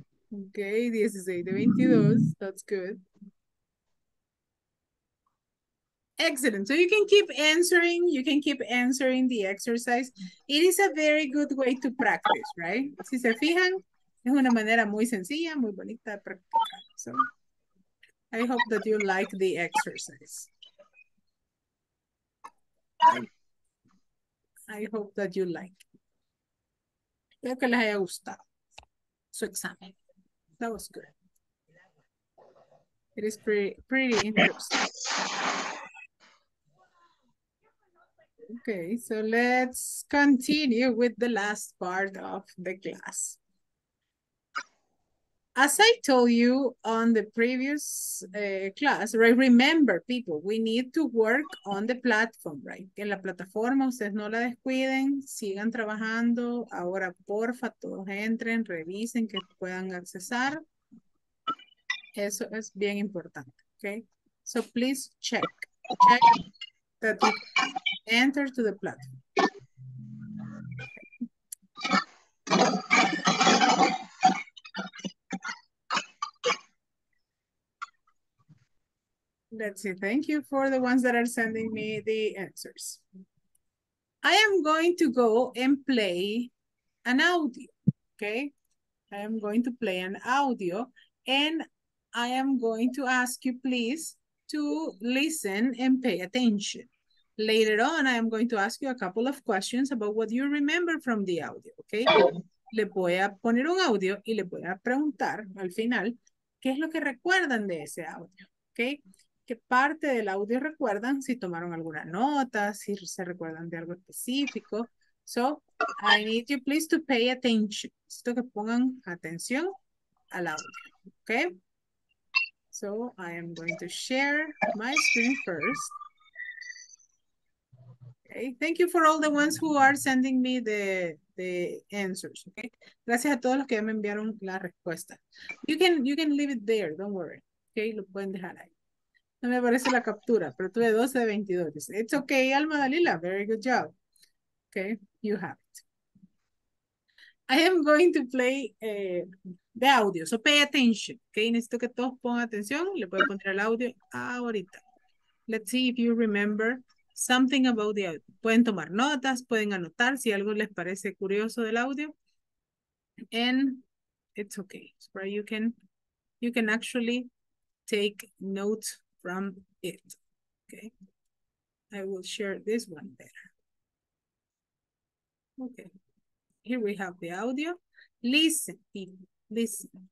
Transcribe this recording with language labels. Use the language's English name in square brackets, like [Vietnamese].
[English] Ok, 16 de 22, that's good. Excellent. So you can keep answering. You can keep answering the exercise. It is a very good way to practice, right? [Spanish] Si se fijan, es una manera muy sencilla, muy bonita de practicar. [English] So I hope that you like the exercise. I hope that you like it. [Spanish] Espero que les haya gustado su examen. [English] That was good. It is pretty interesting. Okay, so let's continue with the last part of the class. As I told you on the previous class, right, remember, people, we need to work on the platform, right? [Spanish] En la plataforma, ustedes no la descuiden, sigan trabajando. Ahora, porfa, todos entren, revisen que puedan accesar. Eso es bien importante, okay? [English] So please check. Check that you enter to the platform. Let's see, thank you for the ones that are sending me the answers. I am going to go and play an audio, okay? I am going to play an audio and I am going to ask you please to listen and pay attention. Later on, I am going to ask you a couple of questions about what you remember from the audio, okay? [Spanish] Le voy a poner un audio y le voy a preguntar al final qué es lo que recuerdan de ese audio, okay? ¿Qué parte del audio recuerdan? Si tomaron alguna nota, si se recuerdan de algo específico. [English] So, I need you please to pay attention. [Spanish] Necesito que pongan atención al audio, [English] okay? So, I am going to share my screen first. Okay. Thank you for all the ones who are sending me the answers. [Spanish] Okay? Gracias a todos los que ya me enviaron la respuesta. [English] You can leave it there, don't worry. [Spanish] Okay, lo pueden dejar ahí. No me aparece la captura, pero tuve 12 de 22. [English] It's okay, Alma Dalila. Very good job. Okay, you have it. I am going to play the audio, so pay attention. [Spanish] Okay, necesito que todos pongan atención. Le puedo poner el audio ahorita. [English] Let's see if you remember something about the audio. [Spanish] Pueden tomar notas, pueden anotar si algo les parece curioso del audio. [English] And it's okay. So you can actually take notes from it. Okay. I will share this one there. Okay. Here we have the audio. Listen, people. Listen.